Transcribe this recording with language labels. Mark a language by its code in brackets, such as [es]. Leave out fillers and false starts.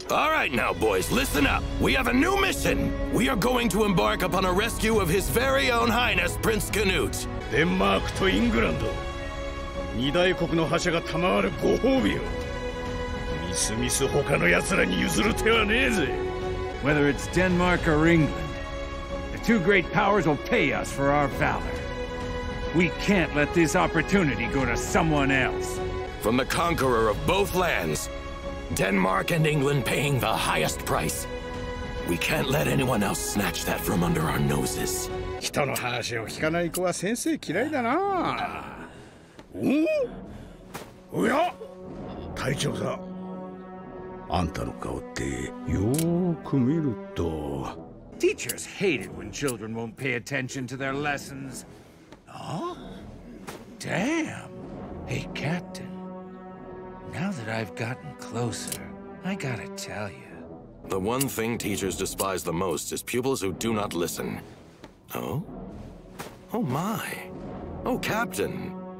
[en] All right now, boys, listen up. We have a new mission. We are going to embark upon a rescue of His very own Highness Prince Canute. [ja] デンマークとイングランド、二大国の覇者が賜るご褒美を、みすみす他の奴らに譲る手はねえぜ。 [en] Whether it's Denmark or England, the two great powers will pay us for our valor. We can't let this opportunity go to someone else. From the conqueror of both lands, Denmark and England paying the highest price. We can't let anyone else snatch that from under our noses. [ja] 人の話を聞かない子は先生嫌いだな。おお、おや、隊長さん、あんたの顔ってよく見ると。 [en] Teachers hate it when children won't pay attention to their lessons. Ah, damn. Hey, Captain. Now that I've gotten closer, I gotta tell you. The one thing teachers despise the most is pupils who do not listen. Oh? Oh my. Oh, Captain.